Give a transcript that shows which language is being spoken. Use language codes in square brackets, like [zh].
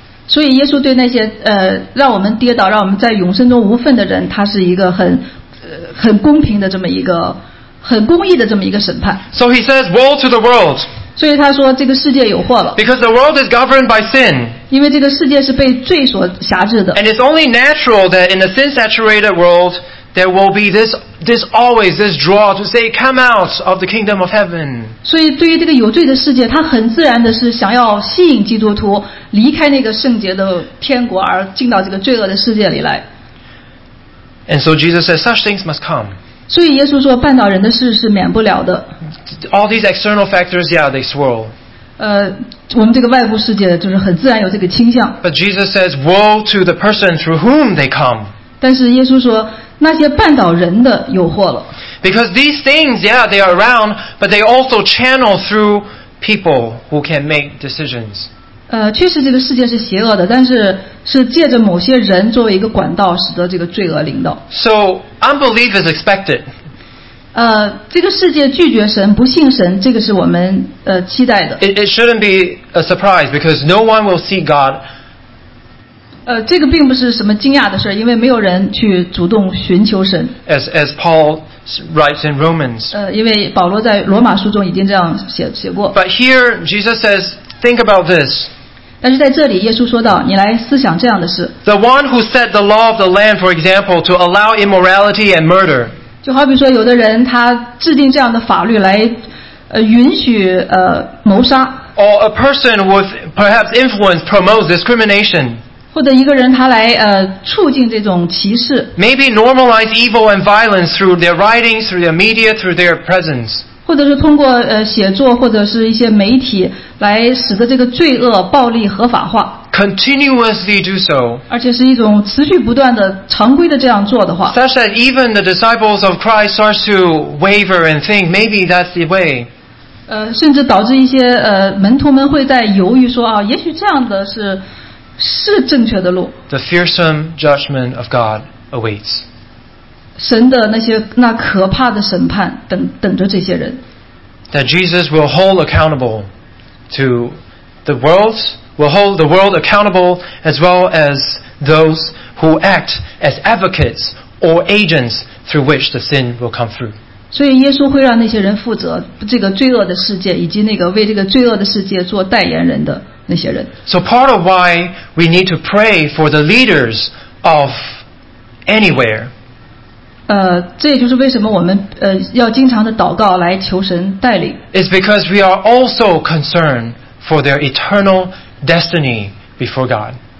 [zh] 所以耶稣对那些让我们跌倒让我们在永生中无份的人他是一个很公平的这么一个很公义的这么一个审判。 [en] So he says, woe to the world. [zh] 所以他说这个世界有祸了。 [en] Because the world is governed by sin. [zh] 因为这个世界是被罪所辖制的。 [en] And it's only natural that in a sin-saturated world, there will be this always, this draw to say, come out of the kingdom of heaven. [zh] 所以对于这个有罪的世界他很自然的是想要吸引基督徒离开那个圣洁的天国而进到这个罪恶的世界里来。 [en] And so Jesus says, such things must come. [zh] 所以耶稣说绊倒人的事是免不了的。 [en] All these external factors, yeah, they swirl. [zh] 我们这个外部世界就是很自然有这个倾向。 [en] But Jesus says, woe to the person through whom they come. [zh] 但是耶稣说那些绊倒人的有祸了。 [en] Because these things, yeah, they are around, but they also channel through people who can make decisions. [zh] 确实这个世界是邪恶的，但是是借着某些人作为一个管道，使得这个罪恶临到。 [en] So unbelief is expected. [zh] 这个世界拒绝神，不信神，这个是我们期待的。 [en] It shouldn't be a surprise because no one will see God. [zh] 这个并不是什么惊讶的事，因为没有人去主动寻求神。 [en] As Paul writes in Romans. [zh] 因为保罗在罗马书中已经这样写过。 [en] But here Jesus says, think about this. [zh] 但是在这里耶稣说到，你来思想这样的事。 [en] The one who set the law of the land, for example, to allow immorality and murder. [zh] 就好比说有的人他制定这样的法律来允许谋杀。 [en] Or a person with perhaps influence promotes discrimination. [zh] 或者一个人他来促进这种歧视 [en] maybe normalize evil and violence through their writings, through their media, through their presence [zh] 或者是通过写作或者是一些媒体来使得这个罪恶暴力合法化 [en] continuously do so [zh] 而且是一种持续不断的常规的这样做的话 [en] such that even the disciples of Christ start to waver and think maybe that's the way [zh] 甚至导致一些门徒们会在犹豫说啊，也许这样的是是正确的路。 [en] The fearsome judgment of God awaits. [zh] 神的那可怕的审判等着这些人。 [en] That Jesus will hold accountable to the world, will hold the world accountable as well as those who act as advocates or agents through which the sin will come through. [zh] 所以耶稣会让那些人负责这个罪恶的世界以及那个为这个罪恶的世界做代言人的。 [en] So part of why we need to pray for the leaders of anywhere. [zh] 这也就是为什么我们要经常的祷告来求神带领。 [en] It's because we are also concerned for their eternal destiny before God.